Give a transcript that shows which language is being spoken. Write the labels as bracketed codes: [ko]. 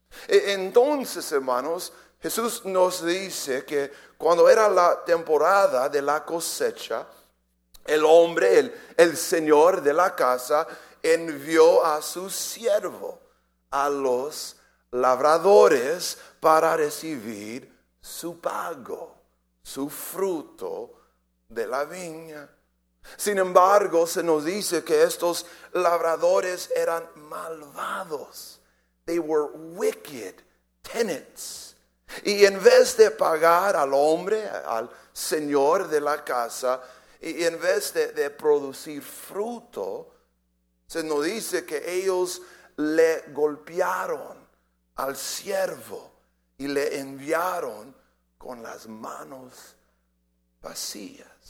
[es] Entonces, hermanos, Jesús nos dice que cuando era la temporada de la cosecha, el hombre, el señor de la casa, envió a su siervo, a los labradores, para recibir su pago, su fruto de la viña. Sin embargo, se nos dice que estos labradores eran malvados. [en] They were wicked tenants. [es] Y en vez de pagar al hombre, al señor de la casa, y en vez de producir fruto, se nos dice que ellos le golpearon al siervo y le enviaron con las manos vacías.